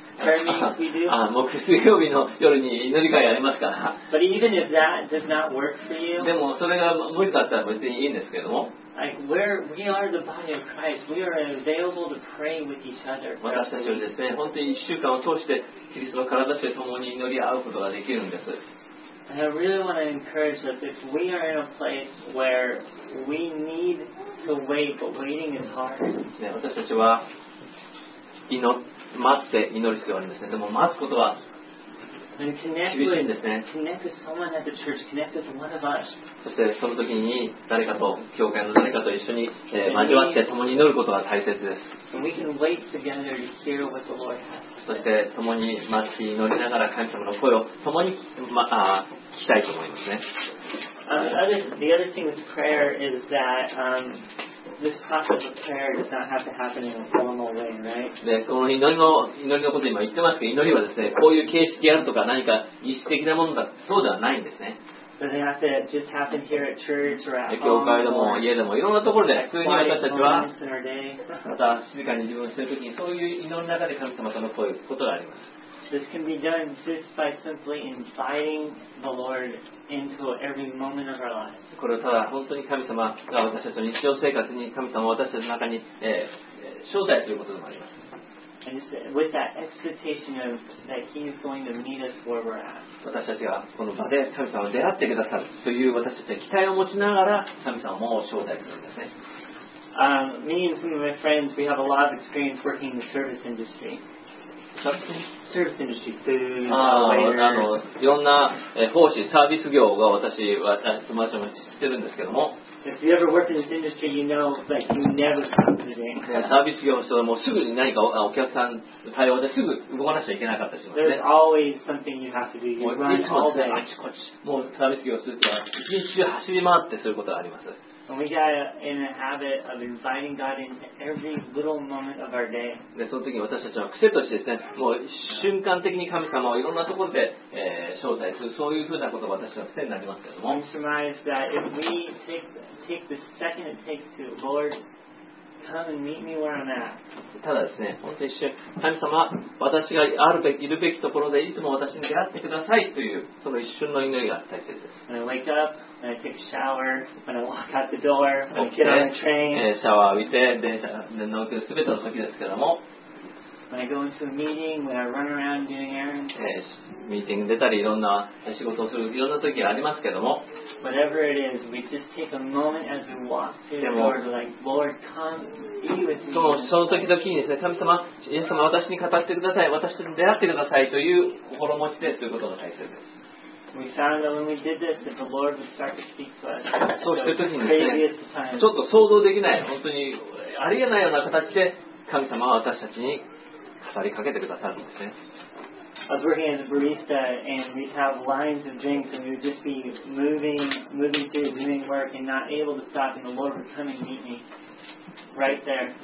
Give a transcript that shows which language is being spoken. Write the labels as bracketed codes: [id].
[ja] 木曜日の夜に祈り会ありますから。 [en] But even if that does not work for you, [ja] でもそれが無理だったら別にいいんですけども。 [en] Like where we are the body of Christ, we are available to pray with each other. [ja] 私たちはですね、本当に一週間を通してキリストの体として共に祈り合うことができるんです。 [en] And I really want to encourage that if we are in a place where we need to wait, but waiting is hard. [ja] 私たちは祈待って祈る必要があるんですね。でも待つことは厳しいんですね。 [en] Connect with someone at the church, connect with one of us. [ja] そしてその時に誰かと教会の誰かと一緒に交わって共に祈ることが大切です。 [en] And we can wait together to hear what the Lord has. [ja] そして共に待ち祈りながら神様の声を共に、ま、あ聞きたいと思いますね。 [en] The other thing with prayer is that、this process of prayer does not have to happen in a formal way, right? [ja] でこの祈りのことを今言ってますけど、祈りはですね、こういう形式であるとか何か意識的なものだ、そうではないんですね。 [en] So they have to just happen here at church or at home. [ja] 教会でも家でもいろんなところで普通に私たちはまた静かに自分をしているときにそういう祈りの中で神様との声を聞くことがあります。 [en] This can be done just by simply inviting the Lord into every moment of our lives. [ja] これはただ本当に神様が私たちの日常生活に神様を私たちの中に、招待することでもあります。 [en] And just with that expectation of that He is going to meet us where we're at. [ja] 私たちはこの場で神様を出会ってくださるという私たちの期待を持ちながら神様も招待するんですね。 [en] Me and some of my friends, we have a lot of experience working in the service industry. Service industry, food, waiter. [ja] いろんな奉仕、サービス業が私は友達も知ってるんですけども。 [en] If you ever work in this industry, you know like you never stop doing. サービス業の人はもうすぐに何かお客さん対応ですぐ動かなきゃいけなかったしますね。 There's always something you have to do. You run all day. [ja] あちこち。もうサービス業をするとは一日中走り回ってすることがあります。 [en] And we got in a habit of inviting God into every little moment of our day. [ja] でその時に私たちは癖としてですね、もう瞬間的に神様をいろんなところで、招待するそういうふうなことが私の癖になりますけども。 [en] I'm surprised that if we take the second it takes to Lord. Come and meet me where I'm at. [ja] ただですね、本当に一瞬、神様、私がいるべきところでいつも私に出会ってくださいというその一瞬の祈りが大切です。 [en] When I wake up, when I take a shower, when I walk out the door, when I get on the train. [ja] シャワーを浴びて電車に乗るすべての時ですけども。 [en] When I go into a meeting, when I run around doing errands. [ja] ミーティング出たりいろんな仕事をするいろんな時がありますけども。 [en] Whatever it is, we just take a moment as we walk through the door, like Lord, come be with me. [ja] その時々にですね、神様、イエス様、私に語ってください、私と出会ってくださいという心持ちですということが大切です。 [en] We found that when we did this, that the Lord would start to speak to us. [ja] そうした時にですね、ちょっと想像できない、本当にありえないような形で神様は私たちに語りかけてくださるんですね。 [en] I was working as a barista and we'd have lines of drinks and we'd just be moving through doing work and not able to stop and the Lord would come and meet me right there.